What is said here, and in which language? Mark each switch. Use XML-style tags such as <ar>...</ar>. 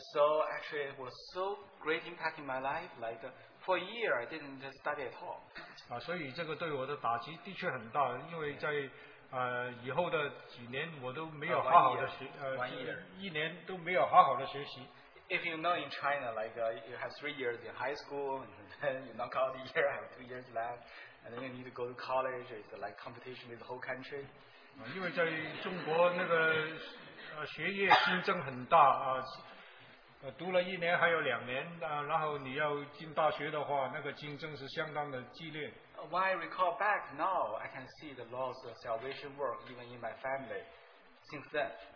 <en>so actually, it was so great impact in my life. Like for a year, I didn't study at all.</en> <zh>所以这个对我的打击的确很大，因为在。以后的几年我都没有好好的学习。</zh> <en>If you know in China, like you have 3 years in high school, and then you knock out a year, have 2 years left, and then you need to go to college. It's like competition with the whole country.</en> <zh>因为在中国那个学业竞争很大，读了一年还有两年，然后你要进大学的话，那个竞争是相当的激烈。</zh> <en>When I recall back now, I can see the Lord's salvation work even in my family since then.</en>